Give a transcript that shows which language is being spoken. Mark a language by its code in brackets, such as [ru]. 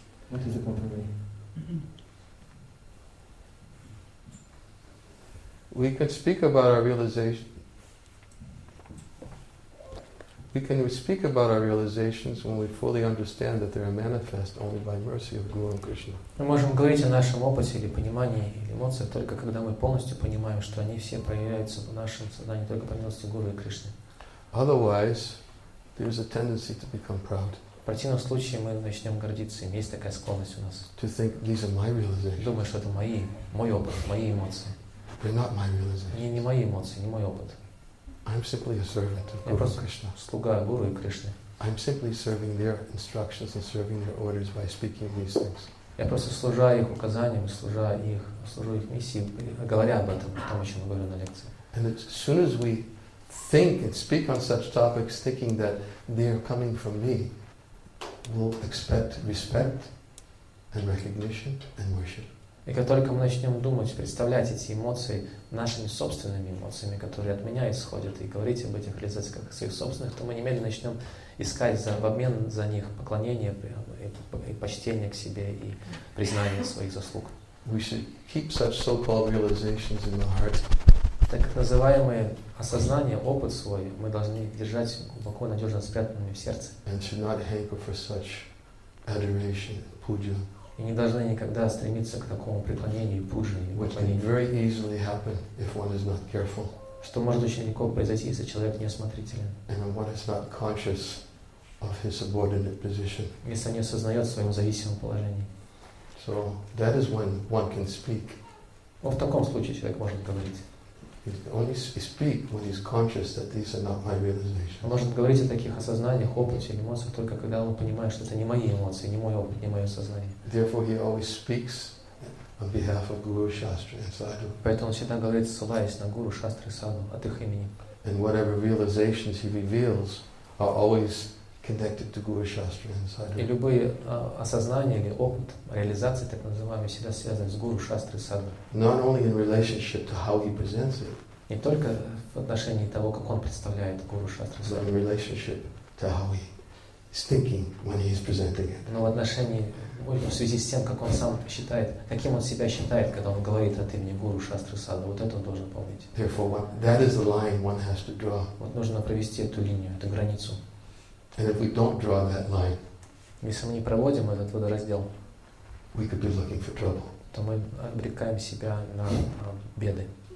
[en] What is the proper way? We could speak about our realization We can speak about our realizations when we fully understand that they are manifest only by mercy of Guru and Krishna. [ru] Мы можем говорить о нашем опыте или понимании или эмоциях только когда мы полностью понимаем, что они все проявляются в нашем сознании только по милости Гуру и Кришны. [en] Otherwise, there is a tendency to become proud. [ru] В противном случае мы начнем гордиться. Есть такая склонность у нас. [en] To think these are my realizations. [ru] Думать, что это мои, мой опыт, мои эмоции. [en] They're not my realizations. [ru] Не мои эмоции, не мой опыт. [en] I'm simply a servant of Guru and Krishna. [ru] Слуга Гуру и Кришны. [en] I'm simply serving their instructions and serving their orders by speaking these things. [ru] Я просто служа их указаниям, служу их миссии, говоря об этом, о том, о чем я говорю на лекции. [en] And as soon as we think and speak on such topics, thinking that they are coming from me, we'll expect respect and recognition and worship. [ru] И как только мы начнем думать, представлять эти эмоции нашими собственными эмоциями, которые от меня исходят, и говорить об этих реализациях как своих собственных, то мы немедленно начнем искать в обмен за них поклонение и почтение к себе и признание своих заслуг. [en] We should keep such so-called realizations in the heart. [ru] Так называемое осознание, опыт свой, мы должны держать глубоко, надежно спрятанными в сердце. [en] And should not hanker for such adoration, puja. [ru] И не должны никогда стремиться к такому преклонению, пуджи, или [en] which can very easily happen if one is not careful. [ru] Что может очень легко произойти, если человек неосмотрителен. [en] And one is not conscious of his subordinate position. [ru] Если он не осознает в своем зависимом положении. [en] So that is when one can speak. [ru] Вот в таком случае человек может говорить. [en] He can only speak when he's conscious that these are not my realizations. [ru] Он может говорить о таких осознаниях, опыте, эмоциях только когда он понимает, что это не мои эмоции, не мой опыт, не мое сознание. [en] Therefore, he always speaks on behalf of Guru, Shastra, and Sadhu. [ru] Поэтому он всегда говорит, ссылаясь на Гуру, Шастру и Садху от их имени. [en] And whatever realizations he reveals are always connected to Guru, Shastra, and Sadhu. [ru] И любые осознания или опыт реализации, так называемые, всегда связаны с Гуру, Шастрой и Садху. [en] Not only in relationship to how he presents it. [ru] Не только в отношении того, как он представляет Гуру, Шастру и Садху. [en] But in relationship to how he is thinking when he is presenting it. [ru] Но в отношении, в связи с тем, как он сам считает, каким он себя считает, когда он говорит от имени Гуру, Шастры, Садху, вот это он должен помнить. [en] Therefore, that is the line one has to draw. [ru] Вот нужно провести эту линию, эту границу. [en] And if we don't draw that line, [ru] если мы не проводим этот водораздел, [en] we could be looking for trouble. [ru] То мы обрекаем себя на беды.